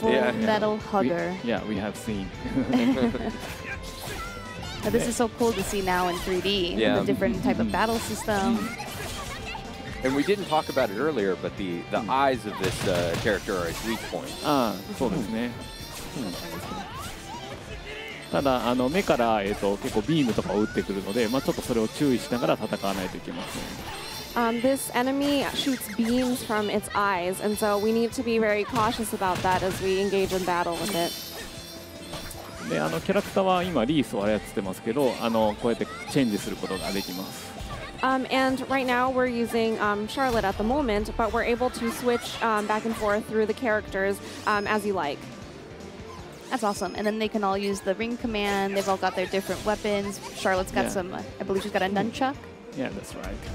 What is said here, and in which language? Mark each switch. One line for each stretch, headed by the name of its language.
English: Full Metal Hugger. Yeah, we have seen. But this is so cool to see now in 3D, the different type of battle system. And we didn't talk about it earlier, but the eyes of this character are a weak point.
Japanese: ああ、そうですね。ただ目から結構ビームとかを打ってくるので、ちょっとそれを注意しながら戦わないといけません。
English: This enemy shoots beams from its eyes, and so we need to be very cautious about that as we engage in battle with it.
Japanese: で、キャラクターは今リースを操ってますけど、こうやってチェンジすることができます。
English: And right now we're using Charlotte at the moment, but we're able to switch back and forth through the characters as you like. That's awesome. And then they can all use the ring command. They've all got their different weapons. Charlotte's got some, I believe she's got a nunchuck. Yeah, that's right.